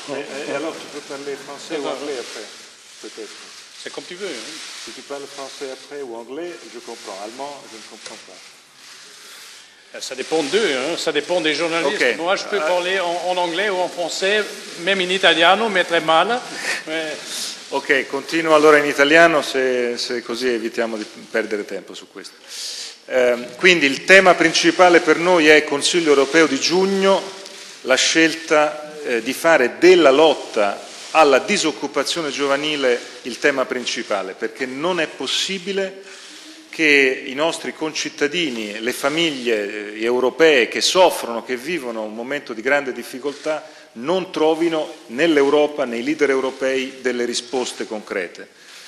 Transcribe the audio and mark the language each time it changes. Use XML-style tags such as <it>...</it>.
<it>E allora tu puoi parlare francese o anglese,</it> <fr>peut-être. C'è come tu veux.</fr> <it>Se tu parli francese après o anglese,</it> <fr>je comprends. Allemand, je ne comprends pas. Ça dépend d'eux, hein. Ça dépend des journalistes. Okay. Moi, je peux parler en anglais ou en français, même en italiano, mais très mal. Mais...</fr> <it>Ok, continuo allora in italiano, se così evitiamo di perdere tempo su questo. Quindi il tema principale per noi è il Consiglio europeo di giugno, la scelta di fare della lotta alla disoccupazione giovanile il tema principale, perché non è possibile che i nostri concittadini, le famiglie europee che soffrono, che vivono un momento di grande difficoltà, non trovino nell'Europa, nei leader europei, delle risposte concrete.</it>